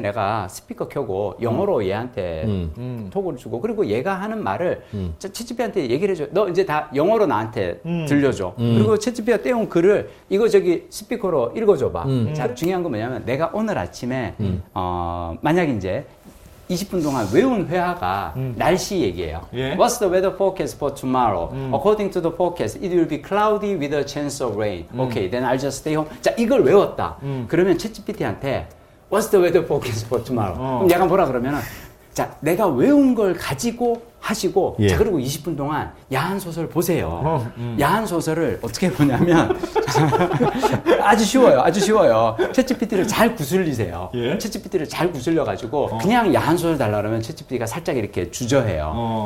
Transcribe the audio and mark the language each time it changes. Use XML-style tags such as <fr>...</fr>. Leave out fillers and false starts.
<ko>내가 스피커 켜고 영어로 얘한테 톡을 주고 그리고 얘가 하는 말을 챗GPT한테 얘기를 해줘. 너 이제 다 영어로 나한테 들려줘. 그리고 챗GPT가 떼온 글을 이거 저기 스피커로 읽어줘봐. 자, 중요한 건 뭐냐면 내가 오늘 아침에 만약 이제 20분 동안 외운 회화가 날씨 얘기예요. 예?</ko> <en>What's the weather forecast for tomorrow? According to the forecast, it will be cloudy with a chance of rain. Okay, then I'll just stay home.</en> <ko>자, 이걸 외웠다. 그러면 챗GPT한테</ko> <en>What's the weather forecast for tomorrow?</en> <ko>그럼 약간 뭐라 그러면은 자, 내가 외운 걸 가지고 하시고 예. 자, 그리고 20분 동안 야한 소설 보세요. 야한 소설을 어떻게 보냐면 아주 쉬워요. 아주 쉬워요. 챗GPT를 잘 구슬리세요. 챗GPT를 예? 잘 구슬려가지고 그냥 야한 소설 달라고 하면 챗GPT가 살짝 이렇게 주저해요.</ko>